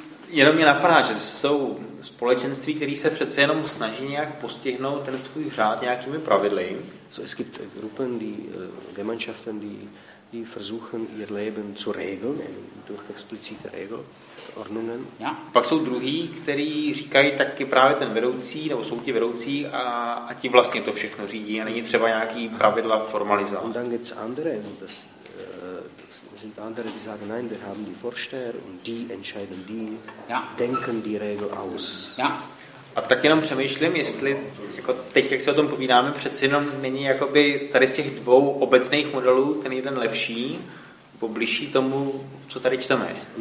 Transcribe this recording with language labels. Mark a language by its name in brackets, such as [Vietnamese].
[Czech] Jenom mě napadá, že jsou společenství, které se přece jenom snaží nějak postihnout ten svůj řád nějakými pravidly. [German] So es gibt Gruppen, die Gemeinschaften, die versuchen ihr Leben zu regeln, durch explizite Regeln. Ordnungen. Ja. [Czech] Pak jsou druhý, který říkají taky právě ten vedoucí, nebo jsou ti vedoucí a ti vlastně to všechno řídí a není třeba nějaký pravidla formalizovat. [German] Und dann gibt's andere, das sind andere, die sagen, nein, wir haben die Vorsteher und die entscheiden, die ja. denken die Regel aus. Ja. [Czech] A tak jenom přemýšlím, jestli jako teď, jak se o tom povídáme, přeci jenom není jakoby tady z těch dvou obecných modelů ten jeden lepší, bližší tomu, co tady čteme.